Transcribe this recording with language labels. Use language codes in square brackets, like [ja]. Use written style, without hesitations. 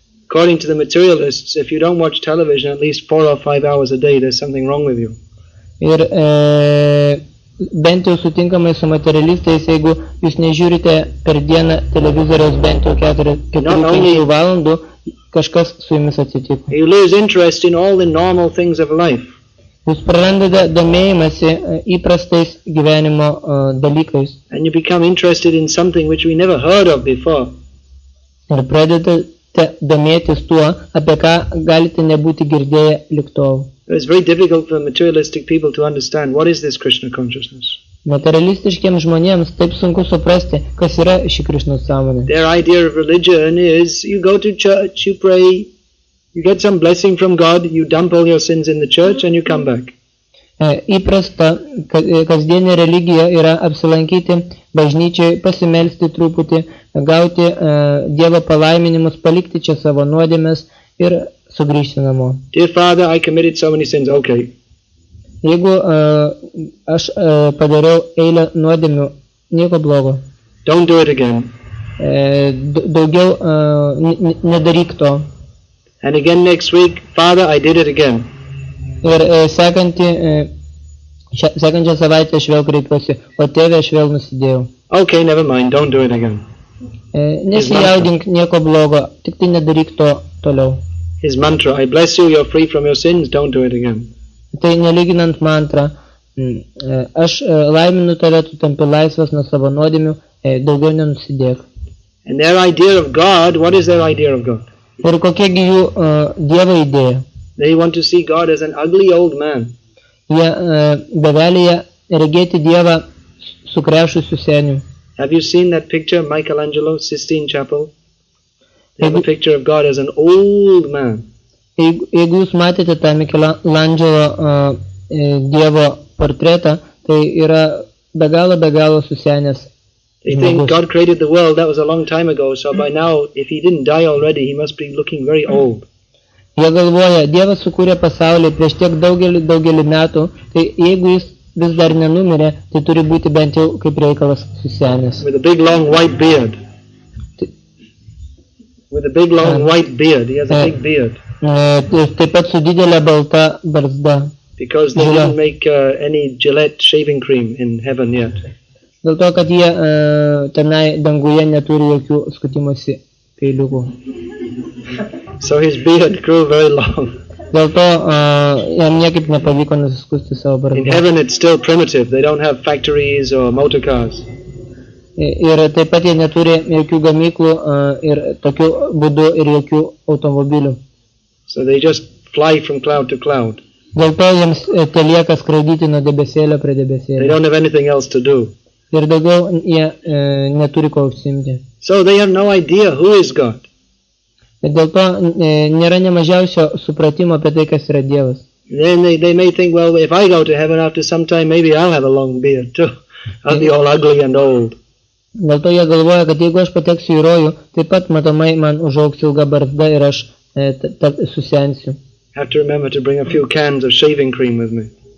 [en] According to the materialists, if you don't watch television at least 4 or 5 hours a day, there's something wrong with you. [lt] Ir bent jau sutinkamai su materialistais, jeigu jūs nežiūrite per dieną televizoriaus bent jau 4-5 valandų, kažkas su jumis atsitiko. [en] You lose interest in all the normal things of life. [lt] Jūs prarandate domėjimąsi įprastais gyvenimo dalykais. [en] And you become interested in something which we never heard of before. [lt] Ir pradedate domėtis tuo, apie ką galite nebūti girdėję lik tol. [en] It's very difficult for materialistic people to understand what is this Krishna consciousness. [lt] Materialistiškiems žmonėms taip sunku suprasti, kas yra ši Krishnos sąmonė. [en] Their idea of religion is you go to church, you pray, you get some blessing from God, you dump all your sins in the church and you come back. [lt] Įprasta kasdienė religija yra apsilankyti bažnyčiai, pasimelsti truputį, gauti Dievo palaiminimus, palikti čia savo nuodėmes ir sugrįžti namo. [en] Dear Father, I committed so many sins. Okay. [lt] Jeigu aš padariau eilę nuodėmių, nieko blogo. [en] Don't do it again. [lt] Daugiau nedaryk to. [en] And again next week, Father, I did it again. [lt] Ir sekančią savaitę aš vėl kreipiuosi, o tėvė aš vėl nusidėjau. [en] Okay, never mind, don't do it again. [lt] Nesijaudink, nieko blogo, tik tai nedaryk to toliau. [en] His mantra, I bless you, you're free from your sins, don't do it again. [lt] Tai nelyginant mantra, aš laiminu tave, tu tampi laisvas nuo savo nuodėmių, daugiau nenusidėk. [en] And their idea of God, what is their idea of God? [lt] Ir kokia gi jų Dievo idėja? [en] They want to see God as an ugly old man. [lt] Jie bevelyje regėti Dievą sukrešusiu seniu. [en] Have you seen that picture of Michelangelo, Sistine Chapel? They have a picture of God as an old man. [lt] Jeigu jūs matėte tą Michelangelo Dievo portretą, tai yra be galo susenęs. [en] They think God created the world, that was a long time ago, so by now, if he didn't die already, he must be looking very old. [lt] Jie galvoja, Dievas sukūrė pasaulį prieš tiek daugelį metų, tai jeigu jis vis dar nenumirė, tai turi būti bent jau kaip reikalas susenęs. [en] With a big long white beard. With a big long white beard, he has a big beard. [lt] Taip pat su didelė balta barzda. [en] Because they didn't make any Gillette shaving cream in heaven yet. [lt] Dėl to, kad jie tenai danguje neturi jokių skutimosi peiliukų. [en] So his beard grew very long. [lt] Dėl to jam niekaip nepavyko nusiskusti savo barzdą. [en] In heaven it's still primitive, they don't have factories or motor cars. [lt] Ir taip pat jie neturi jokių gamyklų ir tokių būdų ir jokių automobilių. [en] So they just fly from cloud to cloud. [lt] Dėl to jiems telieka skraidyti nuo debesėlio prie debesėlio. [en] They don't have anything else to do. [lt] Ir daugiau jie neturi ko užsiimti. [en] So they have no idea who is God. [lt] Dėl to nėra nemažiausio supratimo apie tai, kas yra Dievas. [en] Then they may think, well, if I go to heaven after some time, maybe I'll have a long beard too. I'll be all ugly and old. [lt] Dėl to jie galvoja, kad jeigu aš pateksiu į rojų, taip pat matomai man užaugs ilga barzda ir aš susensiu. [en] Have to remember to bring a few cans of shaving cream with me.